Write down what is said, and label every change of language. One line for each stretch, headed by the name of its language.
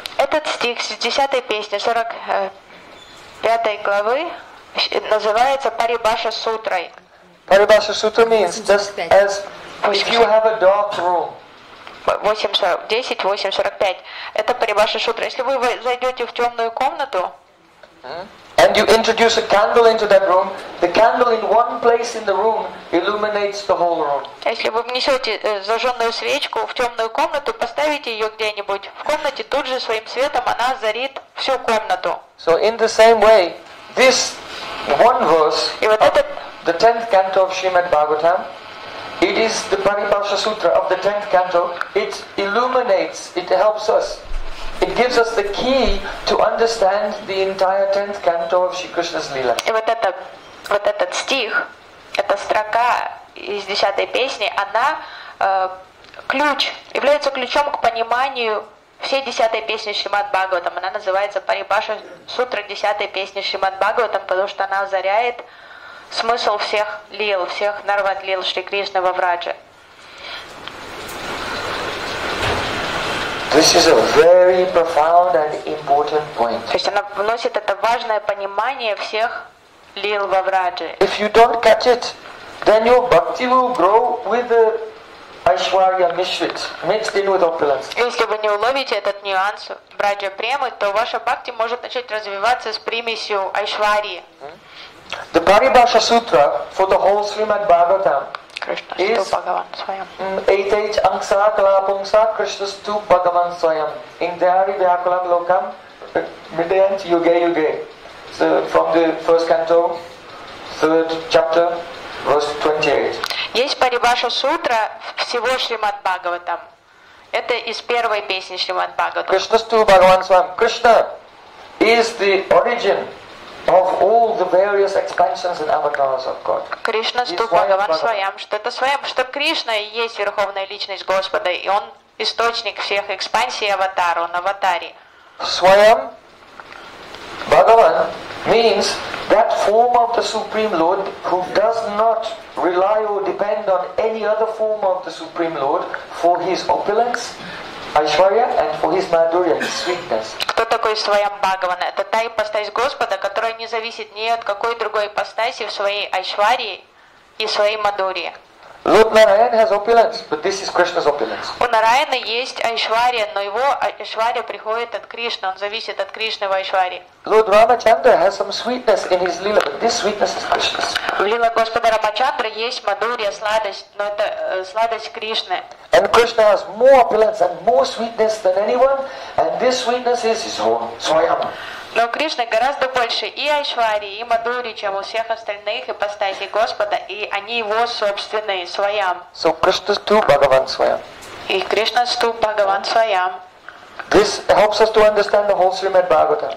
Russian: Этот стих с 10 песни, 45 главы, называется Paribhasha Sutra.
English: Paribhasha Sutra means just as if you have a dark room.
Russian: 10:8:45. Это Парибаша Шутра. Если вы зайдете в темную комнату,
English: and you introduce a candle into that room, the candle in one place in the room illuminates the whole room.
Russian: Если вы внесете зажженную свечку в темную комнату, поставите ее где-нибудь в комнате, тут же своим светом она зарит всю комнату.
English: So in the same way, this one verse,
Russian: и вот этот,
English: the 10th canto of Srimad Bhagavatam, it is the Paribhasha Sutra of the 10th canto. It illuminates, it helps us. It gives us the key to understand the entire 10th canto of Shri Krishna's Lila.
Russian: И вот этот стих, эта строка из 10-й песни, она ключ, является ключом к пониманию всей 10-й песни Шримад Бхагаватам. Она называется Paribhasha Sutra 10-й песни Шримад Бхагаватам, потому что она озаряет смысл всех лил, всех нарват лил Шри Кришны во Враджа.
English: This is a very profound and important point.
Russian: То есть она вносит это важное понимание всех лил во Враджа.
English: If you don't catch it, then your bhakti will grow with the Aishwarya Mishrit, mixed in with opulence.
Russian: Если вы не уловите этот нюанс Враджа премы, то ваша бхакти может начать развиваться с примесью Айшварии.
English: The Paribhasha Sutra for the whole Srimad Bhagavatam is
Sanskrit: Etech Angsa Kalapungsa Krishna Stu Bhagavan Swayam Indari Vyakulam Lokam Midayant Yuge Yuge.
English: So from the first canto, third chapter, verse 28.
Russian: Есть Парибаша Сутра всего Шримад Бхагаватам. Это из первой песни Шримад Бхагаватам.
Sanskrit: Krishna Stu Bhagavan Swam.
English: Krishna is the origin of all the various expansions and avatars of God.
Sanskrit: Krishna Stu Bhagavan Swam,
Russian: что это своем, что Кришна и есть верховная личность Господа, и он источник всех экспансий аватара, он аватари.
English: Swam Bhagavan means that form of the Supreme Lord who does not rely or depend on any other form of the Supreme Lord for his opulence, Aishwarya, and for his madhurya, his sweetness.
Russian: Кто такой Swayam Bhagavan? Это та ипостась Господа, которая не зависит ни от какой другой ипостаси в своей Айшварии и своей мадхурии.
English: Lord Narayan has opulence, but this is Krishna's opulence.
Russian: У Нараяна есть Айшвария, но его Айшвария приходит от Кришны, он зависит от Кришны в Айшварии.
English: Lord Ramachandra has some sweetness in his lila, but this sweetness is Krishna's.
Russian: В лила Господа Рамачандра есть мадурия, сладость, но это сладость Кришны.
English: And Krishna has more opulence and more sweetness than anyone, and this sweetness is his own, Swayam.
Russian: Но у Кришны гораздо больше и Айшвари, и Мадури, чем у всех остальных ипостасей Господа, и они его собственные, Свайам.
Sanskrit: So Krishna Stu Bhagavan Swayam. И Кришна Ступ Бхагаван Свайам.
English: This helps us to understand the whole Srimad Bhagavatam.